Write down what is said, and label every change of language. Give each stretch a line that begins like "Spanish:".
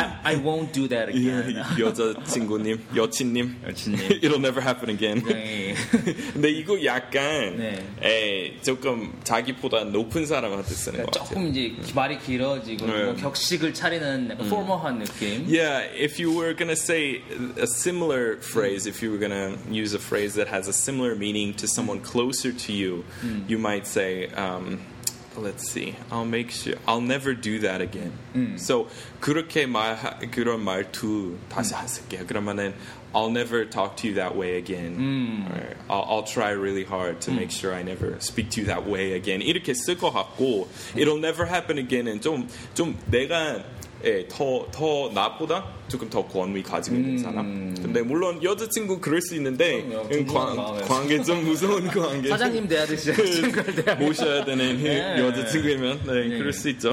English: I won't do that again.
Korean: 여자친구님. 여친님, 여친님.
English: It'll never happen again.
Korean: 네. 근데 이거 약간 네. 에 조금 자기보다 높은 사람한테 쓰는 그러니까 것 같아요. 조금 이제 말이 길어지고 격식을 차리는 포멀한 느낌.
English: Yeah, if you were gonna say a similar phrase, if you were gonna use a phrase that has a similar meaning to someone closer to you, you might say. Let's see. I'll make sure. I'll never do that again.
Korean: So 그렇게 말 그런 말투 다시 하실게요. 그러면은
English: I'll never talk to you that way again. Right. I'll try really hard to make sure I never speak to you that way again.
Korean: 이렇게 쓸 것 같고
English: it'll never happen again.
Korean: 좀 내가 예, 더 나보다 조금 더 권위 가지고 있는 사람. 근데 물론 여자친구 그럴 수 있는데 관계 좀 무서운 관계. 사장님 돼야 되시죠. 모셔야 되는 네. 여자친구이면 네, 네. 그럴 수 있죠.